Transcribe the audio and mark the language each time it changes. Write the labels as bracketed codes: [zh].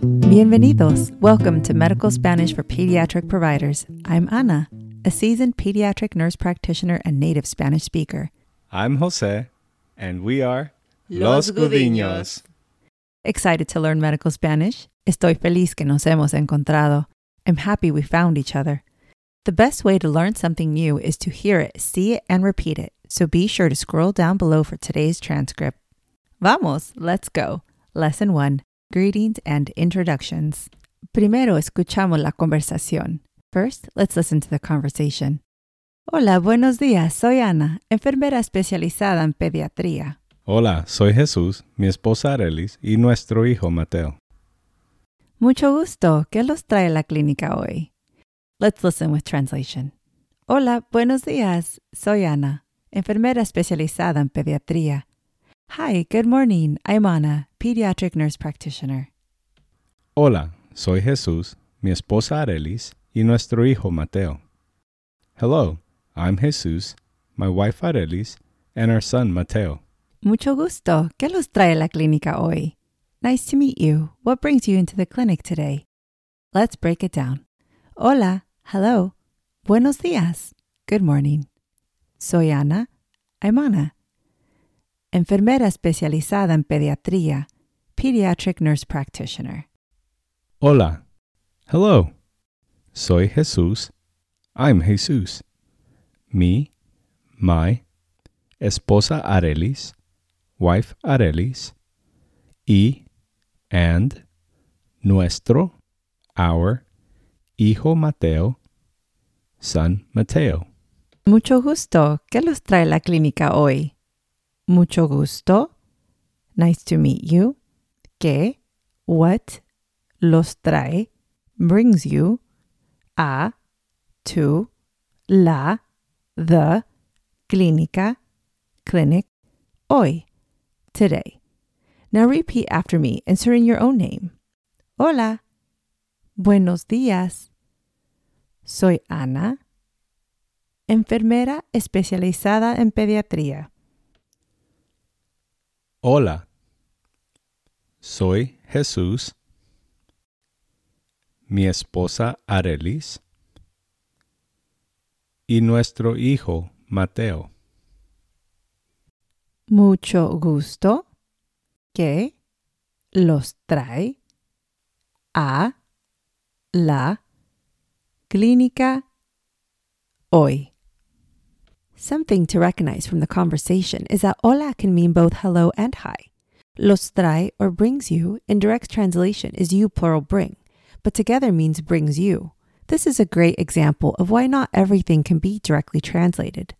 [es] Bienvenidos. [en] Welcome to Medical Spanish for Pediatric Providers. I'm Ana, a seasoned pediatric nurse practitioner and native Spanish speaker. I'm Jose, and we are [es] Los Gudiños. [en] Excited to learn medical Spanish? [es] Estoy feliz que nos hemos encontrado. [en] I'm happy we found each other. The best way to learn something new is to hear it, see it, and repeat it. So be sure to scroll down below for today's transcript. [es] Vamos, [en] let's go. Lesson 1, greetings and introductions. [es] Primero escuchamos la conversación. [en] First, let's listen to the conversation. [es] Hola, buenos días. Soy Ana, enfermera especializada en pediatría. Hola, soy Jesús, mi esposa Arelis y nuestro hijo Mateo. Mucho gusto. ¿Qué los trae a la clínica hoy? [en] Let's listen with translation. [es] Hola, buenos días. Soy Ana, enfermera especializada en pediatría. [en] Hi, good morning. I'm Ana, pediatric nurse practitioner. [es] Hola, soy Jesús, mi esposa Arelis y nuestro hijo Mateo. [en] Hello, I'm Jesús, my wife Arelis, and our son Mateo. [es] Mucho gusto. ¿Qué los trae a la clínica hoy? [en] Nice to meet you. What brings you into the clinic today? Let's break it down. [es] Hola. [en] Hello. [es] Buenos días. [en] Good morning. [es] Soy Ana. [en] I'm Ana. [es] Enfermera especializada en pediatría. [en] Pediatric nurse practitioner. [es] Hola. [en] Hello. [es] Soy Jesús. [en] I'm Jesús. [es] My esposa Arelis. [en] Wife Arelis, and [es] nuestro, [en] our, [es] hijo Mateo, [en] son Mateo. [es] Mucho gusto. ¿Qué los trae la clínica hoy? Mucho gusto. [en] Nice to meet you. [es] ¿Qué? [en] What? [es] Los trae? [en] Brings you? [es] A, [en] to, [es] la, [en] the, [es] clínica, [en] clinic, [es] hoy. [en] Today. Now repeat after me, inserting your own name. [es] Hola. Buenos días. Soy Ana, enfermera especializada en pediatría. Hola. Soy Jesús. Mi esposa Arelis. Y nuestro hijo Mateo. Mucho gusto. ¿Qué los trae a la clínica hoy? [en] Something to recognize from the conversation is that hola can mean both hello and hi. Los trae or brings you in direct translation is you plural bring, but together means brings you. This is a great example of why not everything can be directly translated.